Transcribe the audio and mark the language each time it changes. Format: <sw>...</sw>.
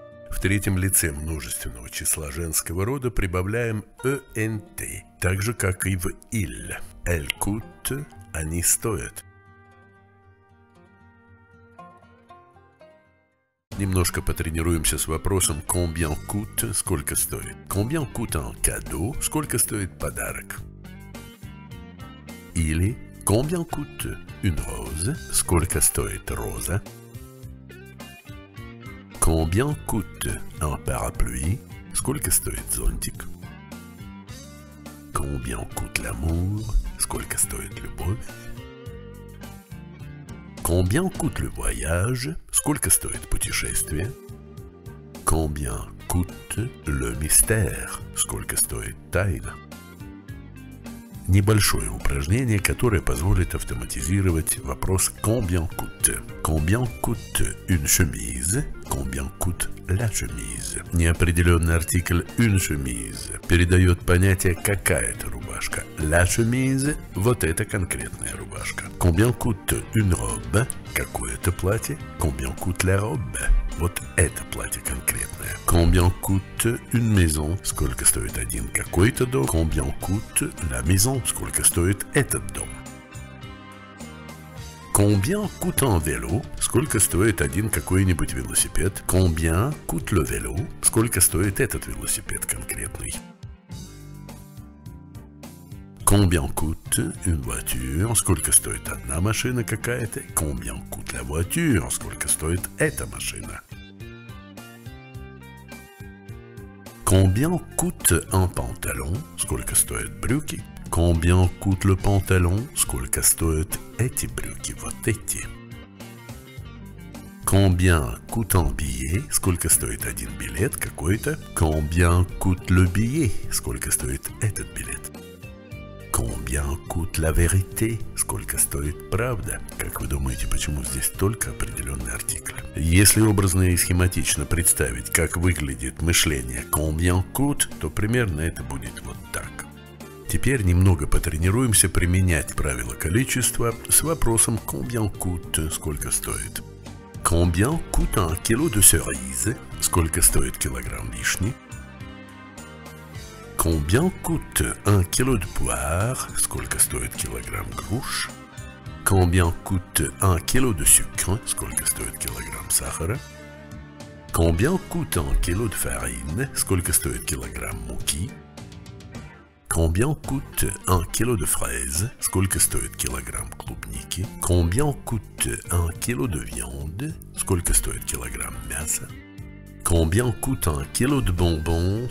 <ru>В третьем лице множественного числа женского рода прибавляем «ent», так же, как и в «il».</ru> <fr>«Elle coûte» –</fr> <ru>«они стоят». Немножко потренируемся с вопросом</ru> <fr>«Combien coûte?»</fr> <ru>– «Сколько стоит?»</ru> <fr>«Combien coûte un cadeau?»</fr> <ru>– «Сколько стоит подарок?»</ru> <fr>Или «Combien coûte une rose?»</fr> <ru>– «Сколько стоит роза?»</ru> <fr>«Combien coûte un parapluie?»</fr> <ru>– «Сколько стоит зонтик?»</ru> <fr>«Combien coûte l'amour?»</fr> <ru>– «Сколько стоит любовь?»</ru> <fr>Combien coûte le voyage?</fr> <ru>Сколько стоит путешествие?</ru> <fr>Combien coûte le mystère?</fr> <ru>Сколько стоит тайна? Небольшое упражнение, которое позволит автоматизировать вопрос</ru> <fr>combien coûte? Combien coûte une chemise? Combien coûte la chemise?</fr> <ru>Неопределенный артикль</ru> <fr>une chemise</fr> <ru>передает понятие какая-то рубашка.</ru> <fr>La chemise</fr> <ru>– вот эта конкретная рубашка.</ru> <fr>Combien coûte une robe?</fr> <ru>Какое-то платье.</ru> <fr>Combien coûte la robe?</fr> <ru>Вот это платье конкретное.</ru> <fr>Combien coûte une maison?</fr> <ru>Сколько стоит один какой-то дом?</ru> <fr>Combien coûte la maison?</fr> <ru>Сколько стоит этот дом?</ru> <fr>Combien coûte un vélo?</fr> <ru>Сколько стоит один какой-нибудь велосипед?</ru> <fr>Combien coûte le vélo?</fr> <ru>Сколько стоит этот велосипед конкретный?</ru> <fr>Combien coûte une voiture?</fr> <ru>Сколько стоит одна машина какая-то?</ru> <fr>Combien coûte la voiture?</fr> <ru>Сколько стоит эта машина?</ru> <fr>Combien coûte un pantalon?</fr> <ru>Сколько стоит брюки?</ru> <fr>Combien coûte le pantalon?</fr> <ru>Сколько стоит эти брюки, вот эти?</ru> <fr>Combien coûte un billet?</fr> <ru>Сколько стоит один билет какой-то?</ru> <fr>Combien coûte le billet?</fr> <ru>Сколько стоит этот билет?</ru> <fr>Combien coûte la vérité?</fr> <ru>Сколько стоит правда? Как вы думаете, почему здесь только определенный артикль? Если образно и схематично представить, как выглядит мышление</ru> <fr>combien coûte,</fr> <ru>то примерно это будет вот так. Теперь немного потренируемся применять правило количества с вопросом</ru> <fr>combien coûte?</fr> <ru>Сколько стоит?</ru> <fr>Combien coûte un kilo de cerise?</fr> <ru>Сколько стоит килограмм вишни?</ru> <fr>Combien coûte un kilo de poire?</fr> <ru>Сколько стоит килограмм груш?</ru> <fr>Combien coûte un kilo de sucre?</fr> <ru>Сколько стоит килограмм сахара?</ru> <fr>Combien coûte un kilo de farine?</fr> <ru>Сколько стоит килограмм муки?</ru> <fr>Combien coûte un kilo de fraise?</fr> <ru>Сколько стоит килограмм клубники?</ru> <fr>Combien coûte un kilo de viande?</fr> <ru>Сколько стоит килограмм мяса?</ru> <fr>Combien coûte un kilo de bonbons?</fr>